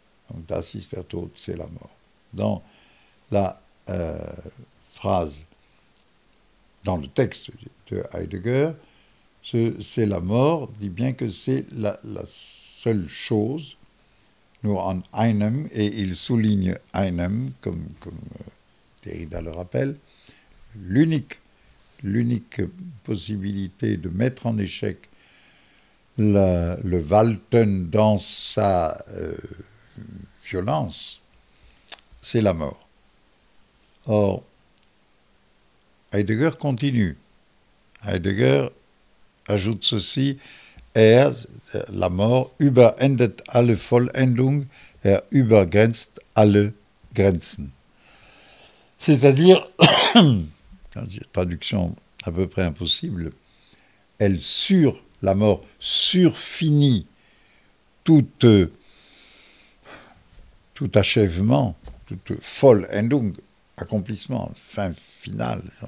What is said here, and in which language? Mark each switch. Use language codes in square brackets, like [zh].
[fr] Donc [de] Das ist der Tod, [fr] c'est la mort. Dans la phrase, dans le texte de Heidegger, c'est la mort, dit bien que c'est la seule chose, nous en einem, et il souligne einem, comme Derrida le rappelle, l'unique possibilité de mettre en échec le Walten dans sa violence, c'est la mort. Or, Heidegger continue. Heidegger ajoute ceci. La mort [de] überendet alle Vollendung, übergrenzt alle Grenzen. [fr] C'est-à-dire, traduction à peu près impossible, elle sur la mort surfinit tout achèvement, toute Vollendung, accomplissement, fin finale.